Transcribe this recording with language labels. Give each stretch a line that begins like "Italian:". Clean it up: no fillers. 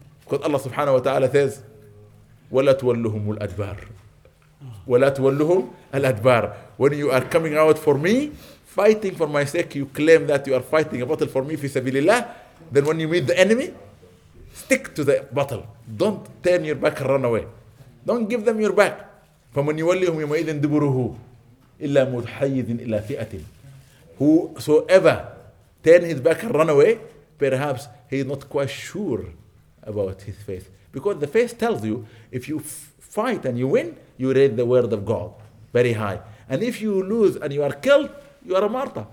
Arabic: قلت الله سبحانه وتعالى ثيز ولا تولهم الأدبار ولا تولهم الأدبار.
English: When you are coming out for me, fighting for my sake, you claim that you are fighting a battle for me
Arabic: في سبيل الله.
English: Then when you meet the enemy, stick to the battle. Don't turn your back and run away. Don't give them your back.
Arabic: فمن يوليهم يومئذ دبره إلا متحيز إلى فئة.
English: Whosoever turn his back and run away, perhaps he is not quite sure about his faith. Because the faith tells you, if you fight and you win, you read the word of God very high. And if you lose and you are killed, you are a martyr.